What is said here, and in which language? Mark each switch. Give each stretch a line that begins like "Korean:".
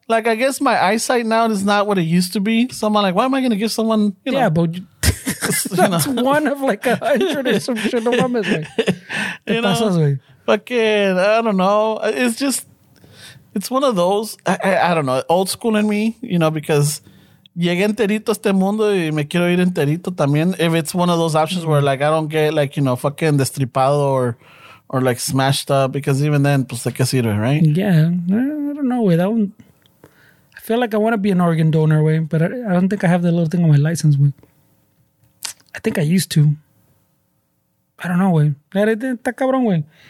English: Like, I guess my eyesight now is not what it used to be. So I'm like, why am I going to give someone, that's one of like 100 or some shit. I don't know. It's just, it's one of those, I don't know, old school in me, you know, because...
Spanish: Llegué enterito a este mundo y me quiero ir enterito también.
English: If it's one of those options where, like, I don't get, like, you know, fucking destripado or like, smashed up. Because even then,
Spanish: pues, ¿de qué sirve,
English: right? Yeah. I don't know, güey. I feel like I want to be an organ donor, güey. But I don't think I have the little thing on my license, güey. I think I used to. I don't know, güey.
Spanish: Está cabrón, güey.